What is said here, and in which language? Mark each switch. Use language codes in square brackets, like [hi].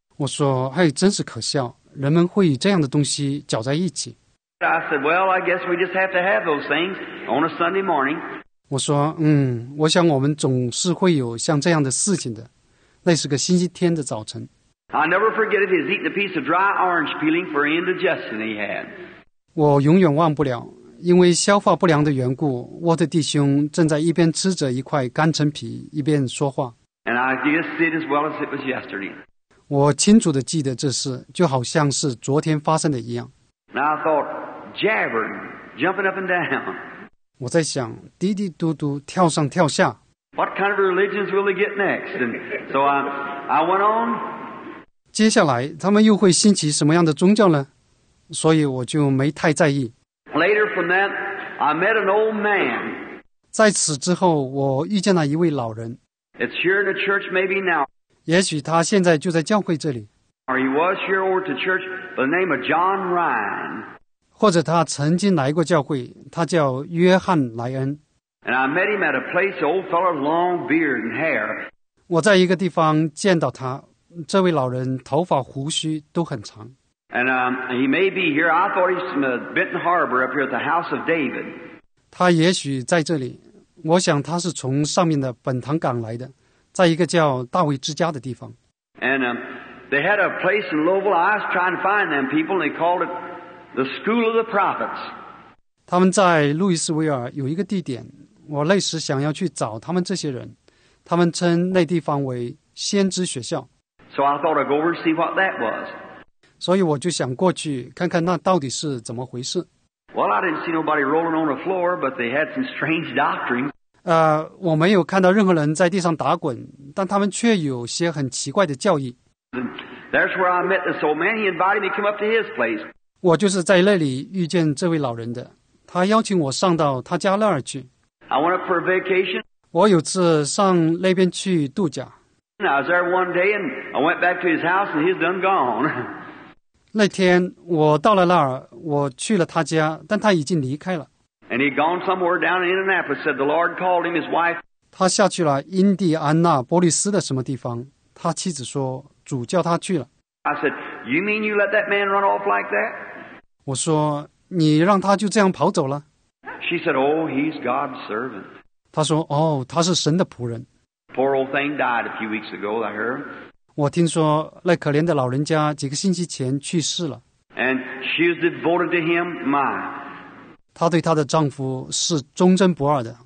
[zh] 我说哎，真是可笑，人们会与这样的东西搅在一起。 [en] I said, well, I guess we just have to have those things on a Sunday morning. [zh] 我说，嗯，我想我们总是会有像这样的事情的，那是个星期天的早晨。 [en] I never forget it. He was eating a piece of dry orange peeling for indigestion he had. [zh] 我永远忘不了，因为消化不良的缘故，沃特弟兄正在一边吃着一块干陈皮，一边说话。 [en] And I just see it as well as it was yesterday. [zh] 我清楚地记得这事，就好像是昨天发生的一样。 [en] And I thought, jabbering, jumping up and down. [zh] 我在想，嘀嘀嘟嘟，跳上跳下。 [en] What kind of religions will they get next? And so I went on. [zh] 接下来，他们又会兴起什么样的宗教呢？所以我就没太在意。 [en] Later from that, I met an old man. [zh] 在此之后，我遇见了一位老人。 [en] It's here in the church maybe now. [zh] 也许他现在就在教会这里。 [en] Or he was here over to church by the name of John Ryan. [zh] 或者他曾经来过教会，他叫约翰莱恩。 [en] And I met him at a place, an old fellow, long beard and hair. [zh] 我在一个地方见到他，这位老人头发胡须都很长。 [en] And he may be here. I thought he's from Benton Harbor up here at the House of David. [zh] 他也许在这里，我想他是从上面的本堂港来的，在一个叫大卫之家的地方。 [en] And they had a place in Louisville. I was trying to find them people, and they called it the School of the Prophets. [zh] 他们在路易斯维尔有一个地点，我那时想要去找他们这些人，他们称那地方为先知学校。 [en] So I thought I'd go over and see what that was. [zh] 所以我就想过去看看那到底是怎么回事。 [en] Well, I didn't see nobody rolling on the floor, but they had some strange doctrine. [zh] 我没有看到任何人在地上打滚，但他们却有些很奇怪的教义。 [en] That's where I met this old man. He invited me to come up to his place. [zh] 我就是在那里遇见这位老人的。他邀请我上到他家那儿去。 [en] I went up for a vacation. [zh] 我有次上那边去度假。 [en] And I was there one day, and I went back to his house, and he's done gone. [zh] 那天我到了那儿，我去了他家，但他已经离开了。 [en] And he'd gone somewhere down in Indianapolis. Said the Lord called him, his wife. [zh] 他下去了印第安纳波利斯的什么地方？他妻子说。主叫他去了。 [en] I said, you mean you let that man run off like that? [zh] 我说你让他就这样跑走了。 [en] She said, oh, he's God's servant. [zh] 他说哦，他是神的仆人。 [en] Poor old thing died a few weeks ago, I heard. [zh] 我听说那可怜的老人家几个星期前去世了。 [en] And she is devoted to him, my. [zh] 她对她的丈夫是忠贞不二的。